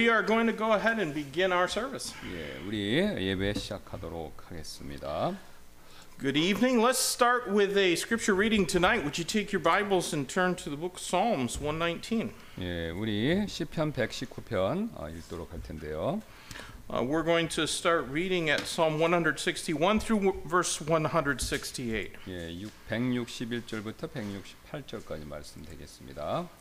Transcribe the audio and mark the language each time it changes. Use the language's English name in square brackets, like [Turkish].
[English] We are going to go ahead and begin our service. [Korean] 예, 우리 예배 시작하도록 하겠습니다. [English] Good evening. Let's start with a scripture reading tonight. Would you take your Bibles and turn to the book Psalms 119? [Korean] 예, 우리 시편 119편 읽도록 할 텐데요. [English] We're going to start reading at Psalm 161 through verse 168. [Korean] 예, 661절부터 168절까지 말씀드리겠습니다.